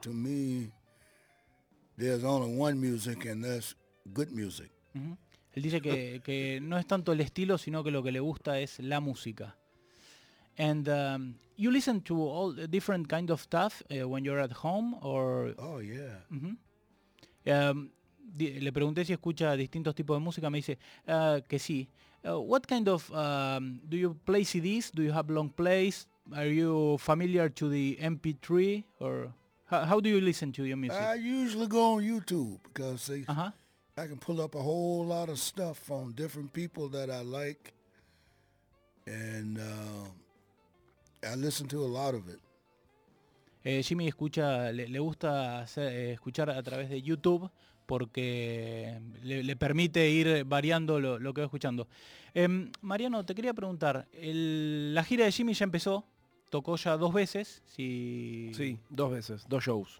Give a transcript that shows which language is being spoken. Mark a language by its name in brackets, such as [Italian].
[English] To me, there's only one music and that's good music. Uh-huh. [Spanish] Él dice que no es tanto el estilo, sino que lo que le gusta es la música. [English] And you listen to all different kinds of stuff when you're at home, or... Oh, yeah. Uh-huh. [Spanish] Le pregunté si escucha distintos tipos de música, me dice que sí. [English] What kind of... do you play CDs? Do you have long plays? Are you familiar to the MP3? Or how do you listen to your music? I usually go on YouTube because... I can pull up a whole lot of stuff from different people that I like, and I listen to a lot of it. [Spanish] Jimmy escucha, le gusta hacer, escuchar a través de YouTube porque le permite ir variando lo que va escuchando. Mariano, te quería preguntar, la gira de Jimmy ya empezó, tocó ya dos veces. Sí, dos veces, dos shows.